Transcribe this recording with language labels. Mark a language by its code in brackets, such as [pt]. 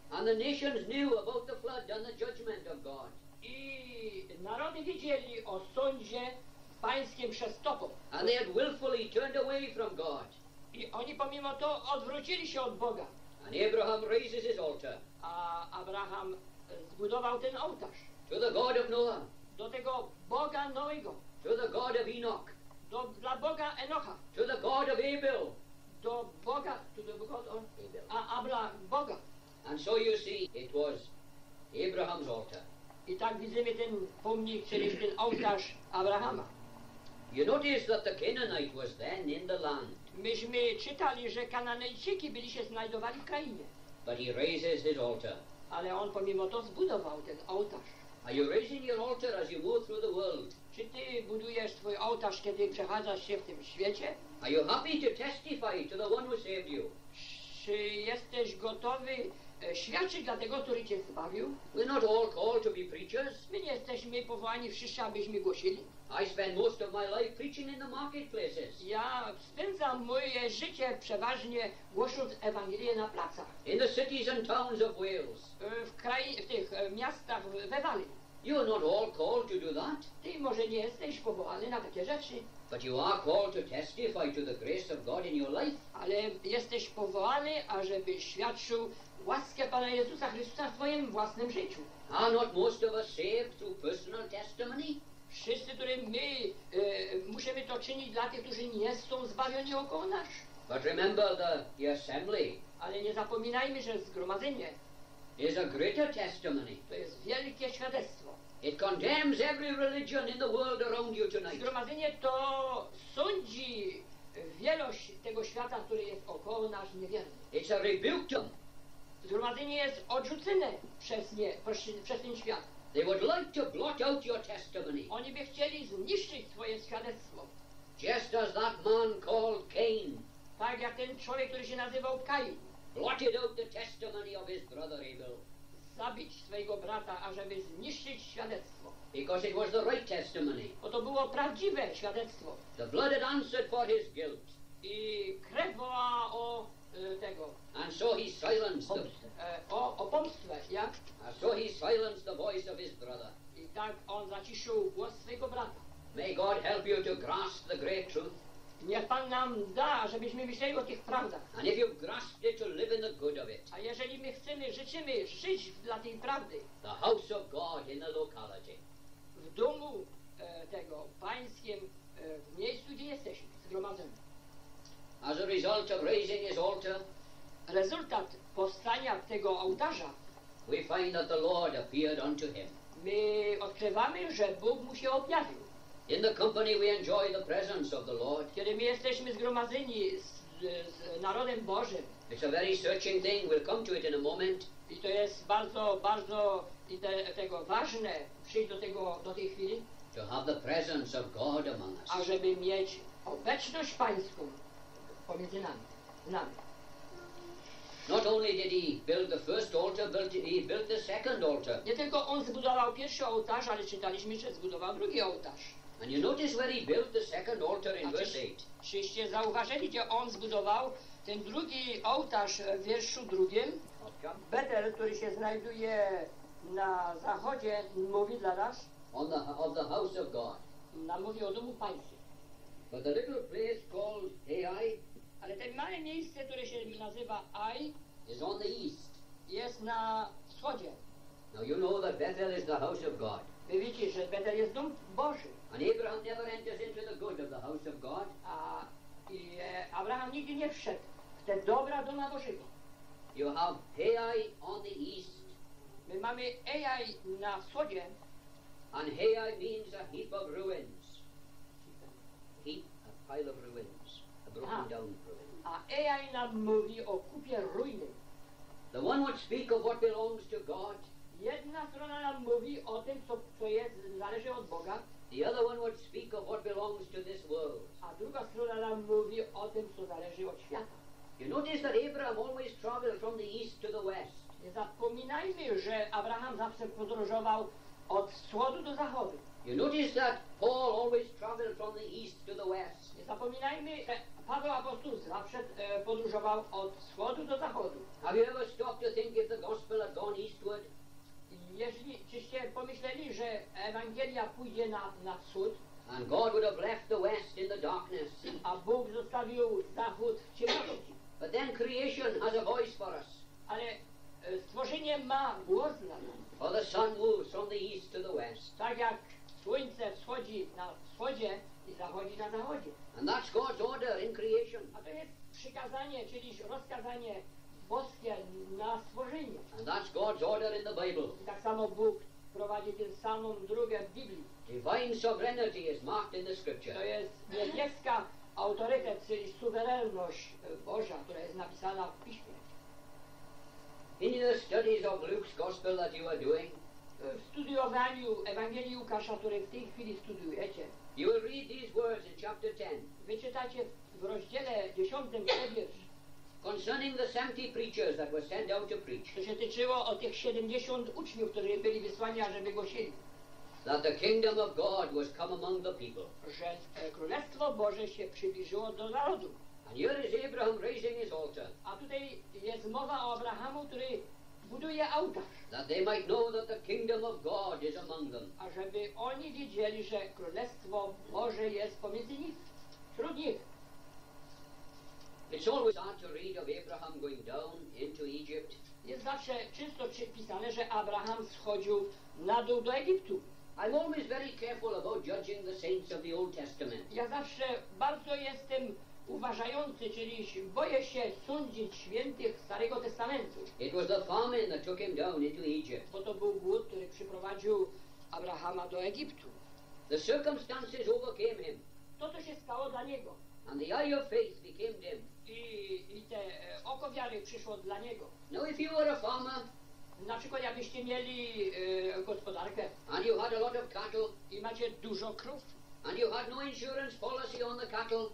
[en] And the nations knew about the flood and the judgment of God. [pl] I narody wiedzieli o sądzie pańskim przez topo. [en] And they had willfully turned away from God. [pl] I oni pomimo to odwrócili się od Boga. [en] And Abraham raises his altar. [pl] A Abraham zbudował ten ołtarz. [en] To the God of Noah. [pl] Do tego Boga Noego. [en] To the God of Enoch. [pl] Dla Boga Enocha. [en] To the God of Abel. [pl] Do Boga, [en] to the God of Abel. [pl] A Abraham Boga. [en] And so you see, it was Abraham's altar. [pl] I tak widzimy ten pomnik, czyli ten ołtarz Abrahama. [en] You notice that the Canaanite was then in the land. [pl] Myśmy czytali, że Kananejczyki byli się znajdowali w krainie. [en] But he raises his altar. [pl] Ale on pomimo to zbudował ten ołtarz. [en] Are you raising your altar as you move through the world? [pl] Czy ty budujesz swój ołtarz, kiedy przechadzasz się w tym świecie? [en] Are you happy to testify to the one who saved you? [pl] Czy jesteś gotowy świadczyć dla tego, który cię zbawił? [en] We're not all called to be preachers. [pl] My nie jesteśmy powołani wszyscy, abyśmy głosili. [en] I spend most of my life preaching in the marketplaces. [pl] Ja spędzam moje życie przeważnie głosząc Ewangelię na placach. [en] In the cities and towns of Wales. [pl] W tych miastach we Walii. [en] You are not all called to do that. [pl] Ty może nie jesteś powołany na takie rzeczy. [en] But you are called to testify to the grace of God in your life. [pl] Ale jesteś powołany, ażeby świadczył łaskę Pana Jezusa Chrystusa w twoim własnym życiu. [en] Are not most of us saved through personal testimony? [pl] Wszyscy, którzy my musimy to czynić dla tych, którzy nie są zbawieni około nas. [en] But remember the assembly. [pl] Ale nie zapominajmy, że zgromadzenie. [en] Is a greater testimony. [pl] To jest wielkie świadectwo. [en] It condemns every religion in the world around you tonight. [pl] Zgromadzenie to sądzi wielość tego świata, który jest około nas niewierny. [en] It's a rebuke to. [pl] Zgromadzenie jest odrzucone przez nie, przez ten świat. [en] They would like to blot out your testimony. [pl] Oni by chcieli zniszczyć twoje świadectwo. [en] Just as that man called Cain. [pl] Tak jak ten człowiek, który się nazywał Kain. [en] Blotted out the testimony of his brother Abel. [pl] Zabić swojego brata, ażeby zniszczyć świadectwo. [en] Because it was the right testimony. [pl] Bo to było prawdziwe świadectwo. [en] The blood had answered for his guilt. [pl] I krew woła o tego. [en] And so he silenced them. [pl] O pomstwę, ja. [en] And so he silenced the voice of his brother. [pl] I tak on zaciszył głos swojego brata. [en] May God help you to grasp the great truth. [pl] Niech Pan nam da, żebyśmy myśleli o tych prawdach. [en] And if you grasp it, you'll live in the good of it. [pl] A jeżeli my chcemy, życzymy żyć dla tej prawdy. [en] The house of God in the locality. [pl] W domu tego pańskim, w miejscu, gdzie jesteśmy zgromadzeni. [en] As a result of raising his altar, [pl] rezultat powstania tego ołtarza, [en] we find that the Lord appeared unto him. [pl] My odkrywamy, że Bóg mu się objawił. [en] In the company we enjoy the presence of the Lord. [pl] Kiedy my jesteśmy zgromadzeni z narodem Bożym. [en] It's a very searching thing. We'll come to it in a moment. [pl] I to jest bardzo, bardzo tego ważne przyjść do tego, do tej chwili. [en] To have the presence of God among us. [pl] A żeby mieć obecność Pańską pomiędzy nami, z nami. [en] Not only did he build the first altar, but he built the second altar. [pl] Nie tylko on zbudował pierwszy ołtarz, ale czytaliśmy, że zbudował drugi ołtarz. [en] And you notice where he built the second altar in verse 8. [pl] Czyście zauważyli, gdzie on zbudował ten drugi ołtarz w wierszu drugim? Betel, który się znajduje na zachodzie, mówi dla nas. [en] On the, of the house of God. [pl] Nam mówi o domu Pańskim. [en] But the little place called Ai. [pl] Ale to małe miejsce, które się nazywa Ai. [en] Is on the east. [pl] Jest na wschodzie. [en] Now you know that Bethel is the house of God. [pl] Wy wiecie, że Betel jest dom Boży. [en] And Abraham never enters into the good of the house of God. [pl] A Abraham nigdy nie wszedł w te dobra doma Bożego. [en] You have Ai on the east. [pl] My mamy Ai na wschodzie. [en] And Ai means a heap of ruins. Heap, a pile of ruins. A broken down ruin. [pl] A Ai nam mówi o kupie ruiny. [en] The one which speak of what belongs to God. [pl] Jedna strona nam mówi o tym, co jest, zależy od Boga. [en] The other one would speak of what belongs to this world. [pl] A druga strona nam mówi o tym, co zależy od świata. [en] You notice that Abraham always traveled from the east to the west. [pl] Nie zapominajmy, że Abraham zawsze podróżował od wschodu do zachodu. [en] You notice that Paul always traveled from the east to the west. [pl] Nie zapominajmy, że Paweł apostoł zawsze podróżował od wschodu do zachodu. [en] Have you ever stopped to think if the gospel had gone eastward? [pl] Jeśli czyście pomyśleli, że Ewangelia pójdzie na wschód, [en] and God would have left the west in the darkness. [pl] A Bóg zostawił zachód w ciemności. [en] But then creation has a voice for us. [pl] Ale stworzenie ma głos dla nas. [en] For the sun moves from the east to the west. [pl] Tak jak słońce wschodzi na wschodzie i zachodzi na zachodzie. [en] And that's God's order in creation. [pl] A to jest przykazanie, czyli rozkazanie boskie na stworzenie. [en] And that's God's order in the Bible. [pl] I tak samo Bóg prowadzi tę samą drogę w Biblii. [en] Divine sovereignty is marked in the scripture. [pl] To jest niebieska autorytet, czyli suwerenność Boża, która jest napisana w Piśmie. [en] In the studies of Luke's gospel that you are doing, [pl] w studiowaniu Ewangelii Łukasza, które w tej chwili studiujecie, [en] you will read these words in chapter 10. [pl] Wyczytacie w rozdziale 10 wiersz. [en] Concerning the 70 preachers that were sent out to preach. [pl] To się tyczyło o tych 70 uczniów, którzy byli wysłani, ażeby głosili. [en] That the kingdom of God was come among the people. [pl] Że Królestwo Boże się przybliżyło do narodu. [en] And here is Abraham raising his altar. [pl] A tutaj jest mowa o Abrahamu, który buduje ołtarz. [en] That they might know that the kingdom of God is among them. [pl] Ażeby oni wiedzieli, że Królestwo Boże jest pomiędzy nich, wśród nich. [en] It's always hard to read of Abraham going down into Egypt. [pl] Jest zawsze często pisane, że Abraham schodził na dół do Egiptu. [en] I'm always very careful about judging the saints of the Old Testament. [pl] Ja zawsze bardzo jestem uważający, czyli boję się sądzić świętych Starego Testamentu. [en] It was the famine that took him down into Egypt. [pl] Bo to był głód, który przyprowadził Abrahama do Egiptu. [en] The circumstances overcame him. [pl] To, co się stało dla niego. [en] And the eye of faith became dim. [pl] I te oko wiary przyszło dla niego. [en] Now if you were a farmer, [pl] na przykład jakbyście mieli gospodarkę, [en] and you had a lot of cattle, [pl] i macie dużo krów, [en] and you had no insurance policy on the cattle,